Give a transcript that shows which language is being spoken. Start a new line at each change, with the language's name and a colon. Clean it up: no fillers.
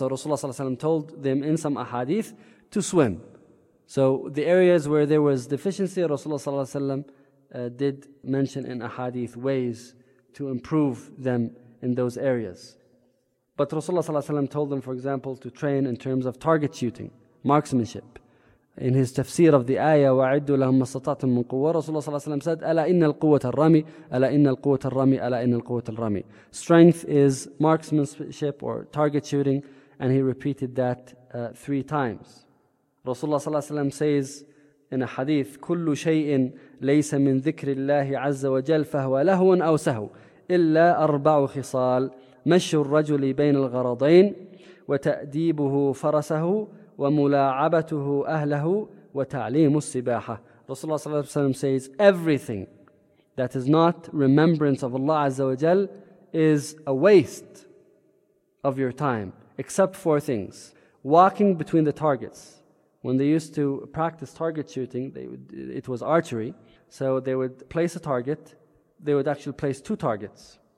English: So Rasulullah ﷺ told them in some ahadith to swim. So the areas where there was deficiency, Rasulullah ﷺ did mention in ahadith ways to improve them in those areas. But Rasulullah ﷺ told them, for example, to train in terms of target shooting, marksmanship. In his tafsir of the ayah,
Arabic: وَعِدُّوا لَهُمَّ اسْتَطَعْتُمْ مِنْ قُوَّةٍ,
English: Rasulullah ﷺ said,
Arabic: أَلَا إِنَّ الْقُوَّةَ الرَّمِي, أَلَا إِنَّ الْقُوَّةَ الرَّمِي, أَلَا إِنَّ الْقُوَّةَ الرَّمِي.
English: Strength is marksmanship or target shooting, and he repeated that three times. Rasulullah ﷺ says in a hadith,
Arabic: كُلُّ شَيْءٍ لَيْسَ مِنْ ذِكْرِ اللَّهِ عَزَّ وَجَلَّ فَهُوَ لَهُوٌ أَوْ سَهْوٌ إِلَّا أَرْبَعُ خِصَالٍ: مَشُّ الرَّجُلِ بَيْنَ الْغَرَضَيْنِ, وَتَأْدِيبُهُ فَرَسَهُ, وَمُلَاعَبَتُهُ أَهْلَهُ, وَتَعْلِيمُ السِّبَاحَةِ.
English: Rasulullah ﷺ says, everything that is not remembrance of Allah Azza wa Jal is a waste of your time, except four things. Walking between the targets. When they used to practice target shooting, it was archery, so they would place a target, they would actually place two targets.